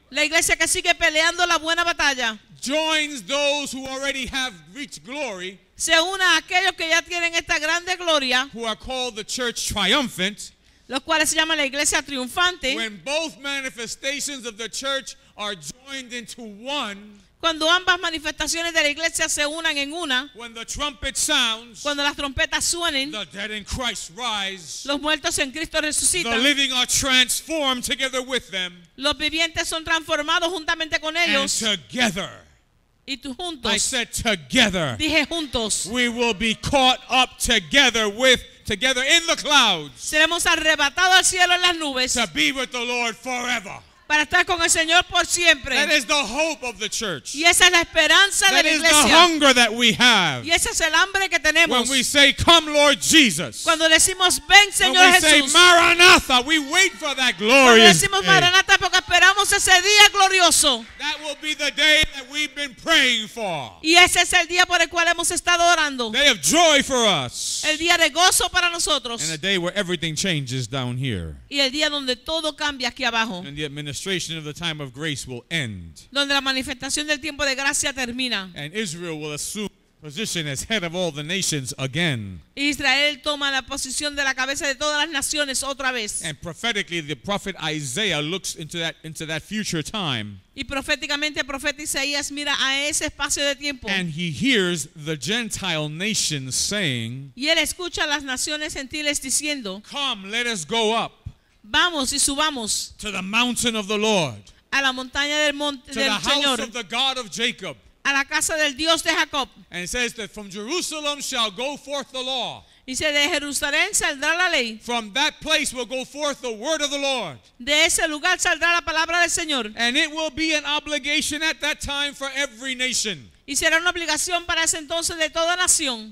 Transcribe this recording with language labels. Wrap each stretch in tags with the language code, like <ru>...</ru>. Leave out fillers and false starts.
<es>La iglesia que sigue peleando la buena batalla.</es> <en>Joins those who already have reached glory.</en> <es>Se une a aquellos que ya tienen esta grande gloria.</es> <en>Who are called the church triumphant.</en> <es>Los cuales se llaman la iglesia triunfante.</es> <en>When both manifestations of the church are joined into one.</en> <es>Cuando ambas manifestaciones de la iglesia se unan en una.</es> <en>When the trumpet sounds.</en> <es>Cuando las trompetas suenen.</es> <en>The dead in Christ rise.</en> <es>Los muertos en Cristo resucitan.</es> <en>The living are transformed together with them.</en> <es>Los vivientes son transformados juntamente con ellos.</es> <en>And together.</en> <es>Y tú juntos.</es> <en>I said together.</en> <es>Dije juntos.</es> <en>We will be caught up together with together in the clouds.</en> <es>Seremos arrebatados al cielo en las nubes.</es> <en>To be with the Lord forever.</en> <es>Para estar con el Señor por siempre.</es> <en>That is the hope of the church.</en> <es>Y esa es la esperanza</es> <en>that</en> <es>de la iglesia.</es> <en>That is the hunger that we have.</en> <es>Y ese es el hambre que tenemos.</es> <en>When we say, "Come, Lord Jesus."</en> <es>Cuando decimos, "Ven, Señor Jesús."</es> <en>When we say, "Maranatha," we wait for that glorious day.</en> <es>Cuando decimos, "Maranatha," porque esperamos ese día glorioso.</es> <en>That will be the day that we've been praying for.</en> <es>Y ese es el día por el cual hemos estado orando.</es> <en>Day of joy for us.</en> <es>El día de gozo para nosotros.</es> <en>And a day where everything changes down here.</en> <es>Y el día donde todo cambia aquí abajo.</es> <en>And the administration of the time of grace will end.</en> <es>Donde la manifestación del tiempo de gracia termina.</es> <en>And Israel will assume position as head of all the nations again.</en> <es>Israel toma la posición de la cabeza de todas las naciones otra vez.</es> <en>And prophetically, the prophet Isaiah looks into that future time.</en> <es>Y proféticamente el profeta Isaías mira a ese espacio de tiempo.</es> <en>And he hears the Gentile nations saying,</en> <es>y él escucha a las naciones gentiles diciendo,</es> <en>come, let us go up.</en> <es>Vamos y subamos.</es> <en>To the mountain of the Lord.</en> <es>A la montaña del monte del Señor.</es> <en>To the house of the God of Jacob.</en> <es>A la casa del Dios de Jacob.</es> <en>And it says that from Jerusalem shall go forth the law.</en> <es>Dice, de Jerusalén saldrá la ley.</es> <en>From that place will go forth the word of the Lord.</en> <es>De ese lugar saldrá la palabra del Señor.</es> <en>And it will be an obligation at that time for every nation.</en> <es>Y será una obligación para ese entonces de toda nación.</es>